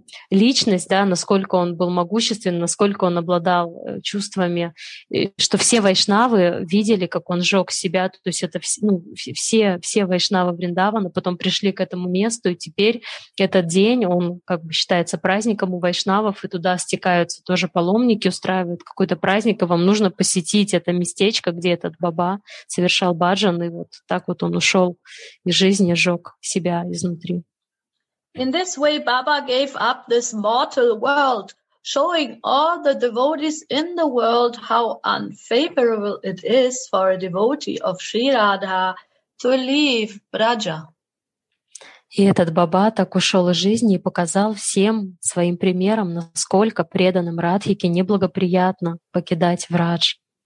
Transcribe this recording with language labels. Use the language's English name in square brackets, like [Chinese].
[Russian] личность, да, насколько он был могущественен, насколько он обладал чувствами, что все вайшнавы видели, как он сжег себя, то есть это все вайшнавы Вриндавана потом пришли к этому месту, и теперь этот день, он как бы считается праздником у вайшнавов, и туда стекаются тоже паломники, устраивают какой-то праздник, и вам нужно посетить это местечко, где этот Баба совершал баджан, и вот так вот он ушел из жизни, сжег себя изнутри. [English] In this way, Baba gave up this mortal world, showing all the devotees in the world how unfavorable it is for a devotee of Sri Radha to leave Braja. [Russian] И этот Баба так ушел из жизни и показал всем своим примером, насколько преданным Радхике неблагоприятно покидать Врадж.